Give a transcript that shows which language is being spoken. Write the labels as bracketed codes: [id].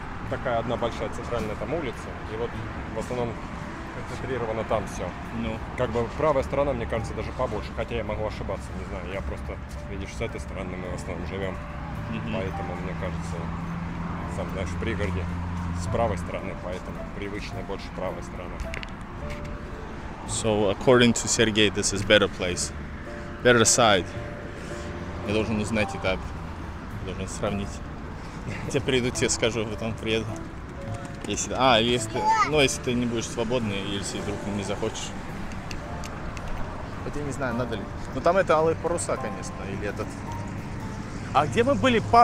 [ru] Такая одна большая центральная там улица, и вот в основном концентрировано там все. Ну. Как бы правая сторона, мне кажется, даже побольше, хотя я могу ошибаться, не знаю, я просто, видишь, с этой стороны мы в основном живем, поэтому, мне кажется, сам знаешь, в пригороде с правой стороны, поэтому привычная больше правая сторона. [en] So, according to Сергей, this is better place, better side. [ru] Я должен узнать это, я должен сравнить. Тебе приеду, тебе скажу, вот он приеду. Если, а, если, ну, если ты не будешь свободный, или если вдруг не захочешь. Хотя не знаю, надо ли. Но там это алые паруса, конечно, или этот. А где мы были?